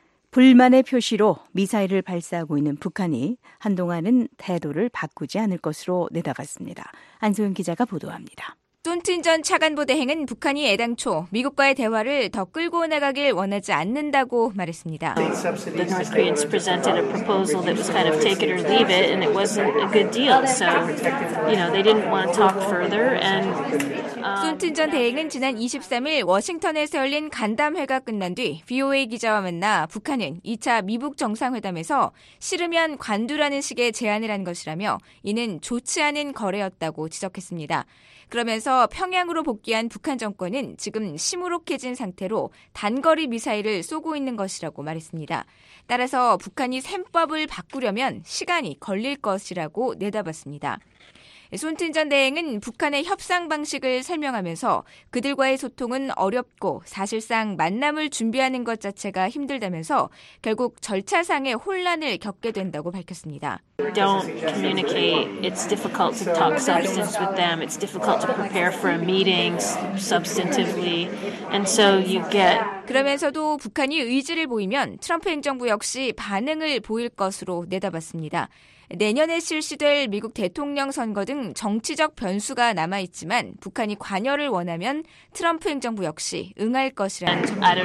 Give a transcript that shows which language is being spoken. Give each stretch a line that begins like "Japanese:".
Korean: 불만의 표시로 미사일을 발사하고 있는 북한이 한동안은 태도를 바꾸지 않을 것으로 내다봤습니다. 안소영 기자가 보도합니다. 존튼 전 차관보 대행은 북한이 애당초 미국과의 대화를 더 끌고 나가길 원하지 않는다고 말했습니다.
English: The North Koreans presented a proposal that was kind of take it or leave it, and it wasn't a good deal. So, you know, they didn't want to talk further. And
Korean: 존튼 전 대행은 지난 23일 워싱턴에서 열린 간담회가 끝난 뒤 VOA 기자와 만나 북한은 2차 미북 정상회담에서 싫으면 관두라는 식의 제안을 한 것이라며 이는 좋지 않은 거래였다고 지적했습니다. 그러면서 평양으로 복귀한 북한 정권은 지금 시무룩해진 상태로 단거리 미사일을 쏘고 있는 것이라고 말했습니다. 따라서 북한이 셈법을 바꾸려면 시간이 걸릴 것이라고 내다봤습니다. 손튼 전 대행은 북한의 협상 방식을 설명하면서 그들과의 소통은 어렵고 사실상 만남을 준비하는 것 자체가 힘들다면서 결국 절차상의 혼란을 겪게 된다고 밝혔습니다.
English: Don't communicate. It's difficult to talk substance with them. It's difficult to prepare for a meeting substantively. And so you get
Korean: 그러면서도 북한이 의지를 보이면 트럼프 행정부 역시 반응을 보일 것으로 내다봤습니다. 내년에 실시될 미국 대통령 선거 등 정치적 변수가 남아있지만 북한이 관여를 원하면 트럼프 행정부 역시 응할 것이라는